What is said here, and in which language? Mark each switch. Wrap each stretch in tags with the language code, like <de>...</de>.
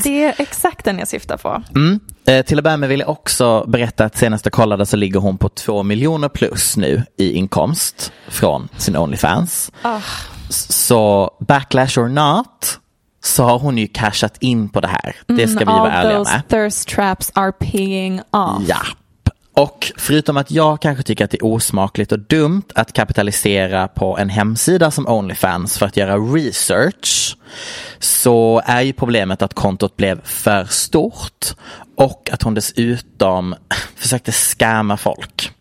<sv>Det är exakt den jag syftar på. Till att börja med vill jag också berätta att senast jag kollade så ligger hon på 2 miljoner plus nu i inkomst från sin OnlyFans. Så</sv> <en>backlash or not,</en> <sv>så har hon ju cashat in på det här. Det ska vi vara ärliga med.</sv> <en>All those thirst traps are paying off.</en> <sv>Ja. Och förutom att jag kanske tycker att det är osmakligt och dumt att kapitalisera på en hemsida som OnlyFans för att göra research, så är ju problemet att kontot blev för stort och att hon dessutom försökte skämma folk.</sv>